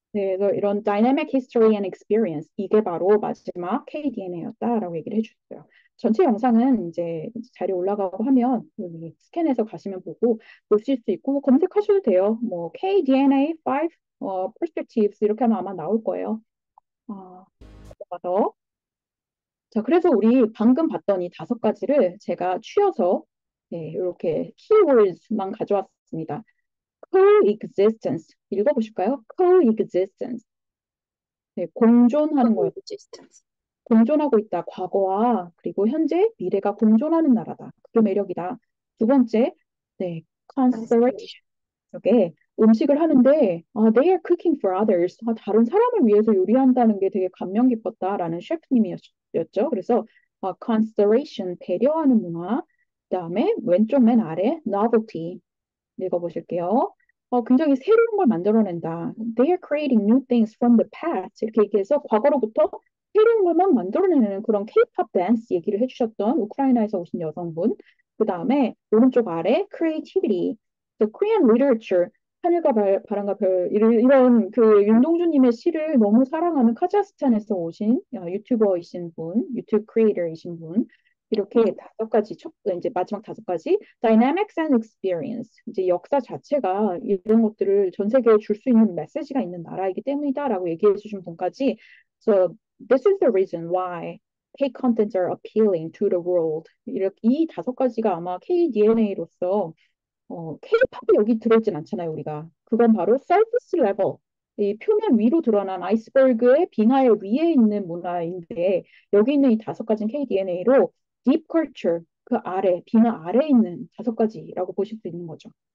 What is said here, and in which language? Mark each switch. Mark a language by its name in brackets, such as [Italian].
[Korean] 네, 그래서 이런 [English] dynamic history and experience [Korean] 이게 바로 마지막 KDNA였다라고 얘기를 해주셨어요. 전체 영상은 이제 자료 올라가고 하면 여기 스캔해서 가시면 보고 보실 수 있고 검색하셔도 돼요. 뭐 KDNA 5 perspectives 이렇게 하면 아마 나올 거예요. 넘어가서 자, 그래서 우리 방금 봤던 이 다섯 가지를 제가 추여서 네, 이렇게 keywords만 가져왔습니다. coexistence 읽어보실까요? coexistence 네, 공존하는 거예요. [English] Existence. [Korean] 공존하고 있다. 과거와 그리고 현재, 미래가 공존하는 나라다. 그게 매력이다. 두 번째, 네, conservation. 이게 음식을 하는데 [English] they are cooking for others. [Korean] 다른 사람을 위해서 요리한다는 게 되게 감명 깊었다라는 셰프님이었죠. 그래서 conservation 배려하는 문화. 그다음에 왼쪽 맨 아래 novelty 읽어보실게요. 굉장히 새로운 걸 만들어낸다. [English] They are creating new things from the past. [Korean] 이렇게 얘기해서 과거로부터 새로운 것만 만들어내는 그런 K-pop dance 얘기를 해주셨던 우크라이나에서 오신 여성분. 그다음에 오른쪽 아래 creativity, [English] the Korean literature, [Korean] 하늘과 바람과 별 이런 그 윤동주님의 시를 너무 사랑하는 카자흐스탄에서 오신 유튜버이신 분, 유튜브 크리에이터이신 분. 이렇게 다섯 가지, 이제 마지막 다섯 가지, [English] dynamics and experience. [Korean] 이제 역사 자체가 이런 것들을 전 세계에 줄수 있는 메시지가 있는 나라이기 때문이다라고 얘기해 주신 분까지. [English] So, this is the reason why K contents are appealing to the world. [Korean] 이렇게 이 다섯 가지가 아마 KDNA로서 K-pop이 여기 들어오진 않잖아요, 우리가. 그건 바로 surface level. 이 표면 위로 드러난 아이스버그의 빙하의 위에 있는 문화인데, 여기 있는 이 다섯 가지는 KDNA로 deep culture, 그 아래, 빙하 아래에 있는 다섯 가지라고 보실 수 있는 거죠.